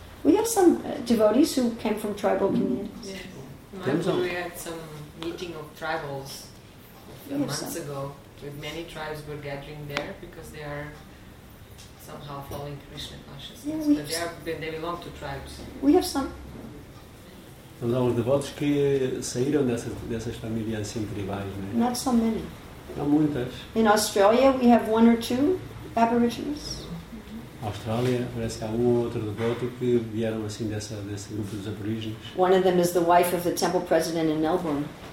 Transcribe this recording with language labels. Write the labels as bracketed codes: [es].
[en] We have some devotees who came from tribal communities. Yes. We had some meeting of tribals a few months ago, with many tribes were gathering there because they are somehow following Krishna consciousness. Yeah, they belong to tribes. We have some. [pt] Então, há uns devotos que saíram dessas famílias assim tribais, né? [en] Not so many. [pt] Não muitas. [en] In Australia, we have one or two aborigines. [pt] Austrália, parece que há um ou outro devoto que vieram assim desse grupo dos aborígenes. [en] One of them is the wife of the temple president in Melbourne.